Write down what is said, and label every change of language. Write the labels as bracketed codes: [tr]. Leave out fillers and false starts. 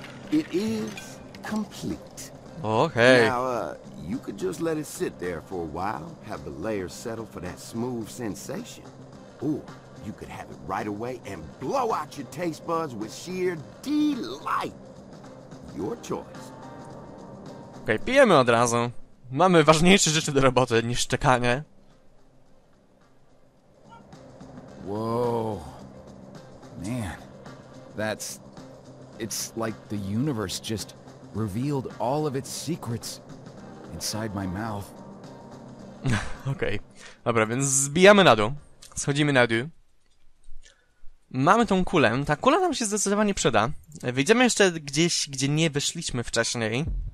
[en] It is complete. Okay. Now, you could just let it sit there for a while, have the layers settle for that smooth sensation. Or you could have it right away and blow out your taste buds with sheer delight. Your choice. [pl] Okay, pijemy od razu. Mamy ważniejsze rzeczy do roboty niż czekanie. [en] Whoa, man, that's, it's like the universe just revealed all of its secrets inside my mouth. [pl] Okej, dobra, więc zbijamy na dół, schodzimy na dół. Mamy tą kulę. Ta kula nam się zdecydowanie przyda. Wyjdziemy jeszcze gdzieś, gdzie nie wyszliśmy wcześniej.